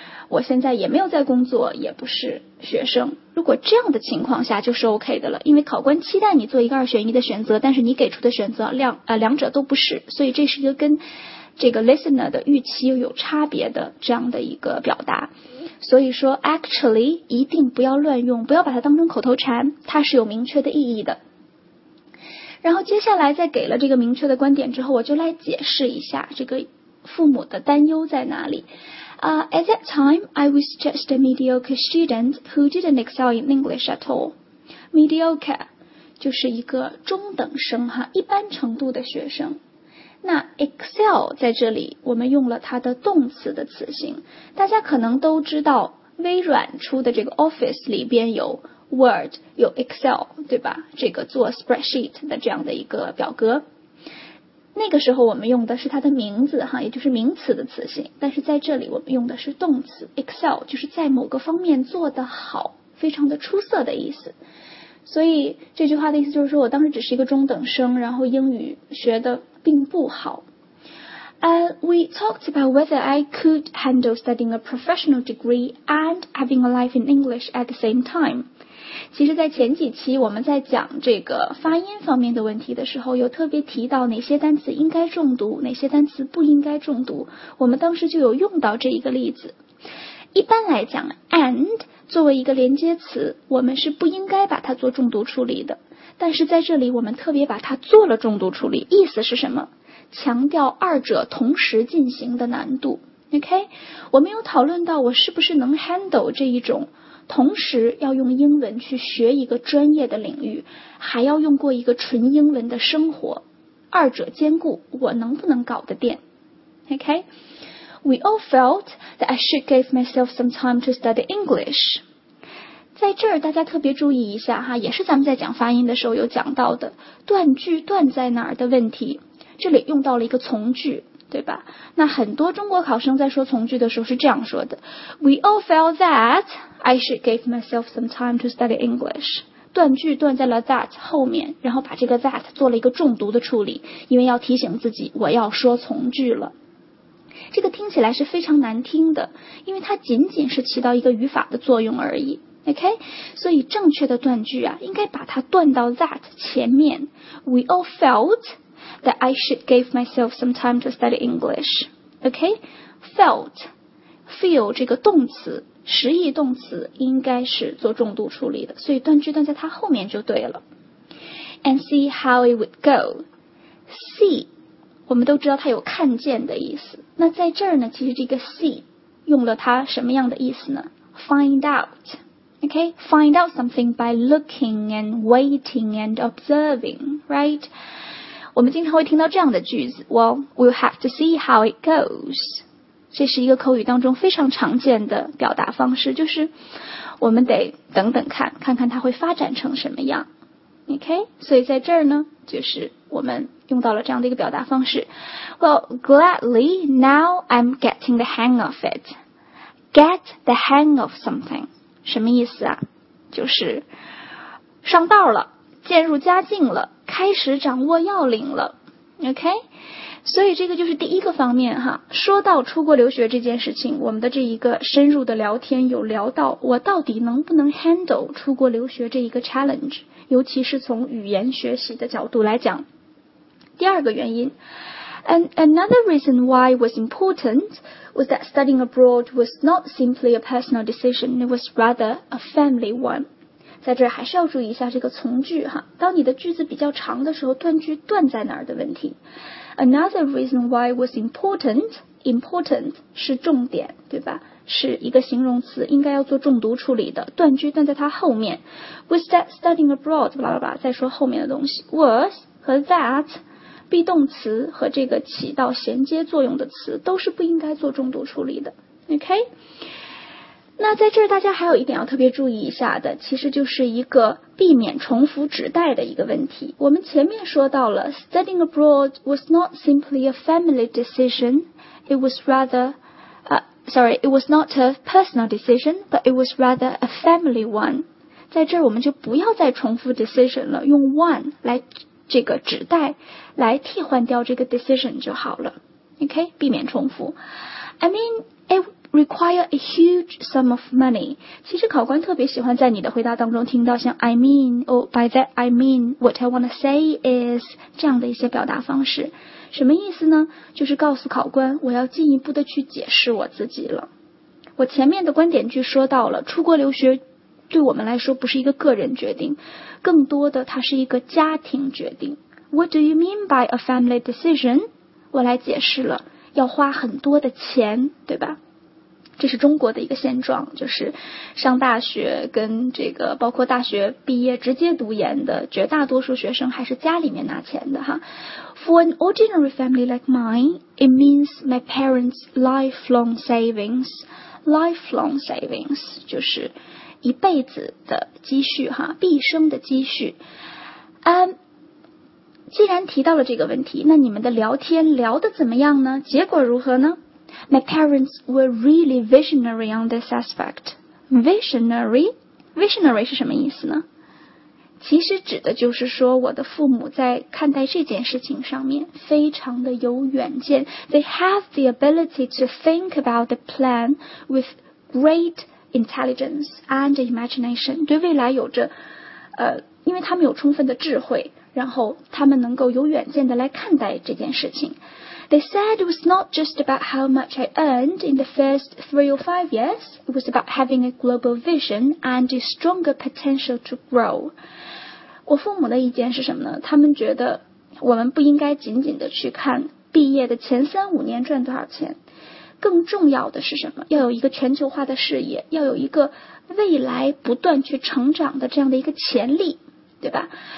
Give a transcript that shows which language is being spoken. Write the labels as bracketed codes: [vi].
[zh] 我现在也没有在工作，也不是学生。如果这样的情况下就是 OK 的了，因为考官期待你做一个二选一的选择，但是你给出的选择两者都不是，所以这是一个跟这个 listener 的预期有差别的这样的一个表达。所以说 actually 一定不要乱用，不要把它当成口头禅，它是有明确的意义的。然后接下来在给了这个明确的观点之后，我就来解释一下这个父母的担忧在哪里。 [en] At that time, I was just a mediocre student who didn't excel in English at all. [zh] Mediocre 就是一个中等生哈，一般程度的学生。那 excel 在这里我们用了它的动词的词性，大家可能都知道微软出的这个 Office 里边有 Word 有 Excel 对吧，这个做 spreadsheet 的这样的一个表格，那个时候我们用的是它的名字哈，也就是名词的词性，但是在这里我们用的是动词 Excel， 就是在某个方面做得好，非常的出色的意思。所以这句话的意思就是说，我当时只是一个中等生，然后英语学的并不好。 [en] We talked about whether I could handle studying a professional degree and having a life in English at the same time. [zh] 其实在前几期我们在讲这个发音方面的问题的时候，有特别提到哪些单词应该重读，哪些单词不应该重读，我们当时就有用到这一个例子。一般来讲 and 作为一个连接词，我们是不应该把它做重读处理的，但是在这里我们特别把它做了重读处理，意思是什么？强调二者同时进行的难度。OK， 我们有讨论到我是不是能 handle 这一种同时要用英文去学一个专业的领域，还要用过一个纯英文的生活，二者兼顾，我能不能搞得定？ [en] OK，We all felt that I should give myself some time to study English. [zh] 在这儿大家特别注意一下哈，也是咱们在讲发音的时候有讲到的断句断在哪儿的问题，这里用到了一个从句，对吧？那很多中国考生在说从句的时候是这样说的， [en] We all felt that I should give myself some time to study English. [zh] 断句断在了 that 后面，然后把这个 that 做了一个重读的处理，因为要提醒自己我要说从句了。这个听起来是非常难听的，因为它仅仅是起到一个语法的作用而已。 OK， 所以正确的断句啊，应该把它断到 that 前面。 [en] We all felt that I should give myself some time to study English. [zh] OK， felt feel 这个动词实义动词应该是做重读处理的，所以断句断在它后面就对了。 [en] And see how it would go. [zh] See我们都知道它有看见的意思，那在这儿呢，其实这个 see 用了它什么样的意思呢？ [en] Find out， OK， find out something by looking and waiting and observing， right？ [zh] 我们经常会听到这样的句子， [en] Well， we'll have to see how it goes。 [zh] 这是一个口语当中非常常见的表达方式，就是我们得等等看，看看它会发展成什么样， OK。所以在这儿呢，就是我们用到了这样的一个表达方式。 [en] Well, gladly, now I'm getting the hang of it. Get the hang of something. [zh] 什么意思啊？就是上道了，渐入佳境了，开始掌握要领了。 [en] OK? [zh] 所以这个就是第一个方面哈。说到出国留学这件事情，我们的这一个深入的聊天有聊到我到底能不能 handle 出国留学这一个 challenge， 尤其是从语言学习的角度来讲。第二个原因， [en] And another reason why it was important was that studying abroad was not simply a personal decision, it was rather a family one. [zh] 在这还是要注意一下这个从句哈，当你的句子比较长的时候，断句断在哪儿的问题。 [en] Another reason why it was important, important [zh] 是重点，对吧？是一个形容词，应该要做重读处理的，断句断在它后面。 [en] Was that studying abroad, [zh] 吧吧吧，再说后面的东西， was 和 that be 动词和这个起到衔接作用的词都是不应该做重读处理的。 OK， 那在这儿大家还有一点要特别注意一下的，其实就是一个避免重复指代的一个问题。我们前面说到了 [en] studying abroad was not simply a family decision, it was rather it was not a personal decision, but it was rather a family one. [zh] 在这儿我们就不要再重复 decision 了，用 one 来这个指代来替换掉这个 decision 就好了。 OK， 避免重复。 [en] I mean it require a huge sum of money. [zh] 其实考官特别喜欢在你的回答当中听到像 [en] I mean, or by that I mean, what I want to say is, [zh] 这样的一些表达方式。什么意思呢？就是告诉考官我要进一步的去解释我自己了。我前面的观点句说到了，出国留学对我们来说不是一个个人决定，更多的它是一个家庭决定。 [en] What do you mean by a family decision? [zh] 我来解释了，要花很多的钱，对吧？这是中国的一个现状，就是上大学跟这个包括大学毕业直接读研的绝大多数学生还是家里面拿钱的哈。 [en] For an ordinary family like mine, it means my parents' lifelong savings. [zh] Lifelong savings 就是一辈子的积蓄哈，毕生的积蓄。既然提到了这个问题，那你们的聊天聊得怎么样呢？结果如何呢？ [en] My parents were really visionary on this aspect. [zh] Visionary? Visionary 是什么意思呢？其实指的就是说我的父母在看待这件事情上面非常的有远见。 [en] They have the ability to think about the plan with great intelligence and imagination. [zh] 对未来有着因为他们有充分的智慧，然后他们能够有远见的来看待这件事情。 [en] They said it was not just about how much I earned in the first 3 or 5 years. It was about having a global vision and a stronger potential to grow. [zh] 我父母的意见是什么呢？他们觉得我们不应该仅仅的去看毕业的前3-5年赚多少钱，更重要的是什么？要有一个全球化的视野，要有一个未来不断去成长的这样的一个潜力，对吧？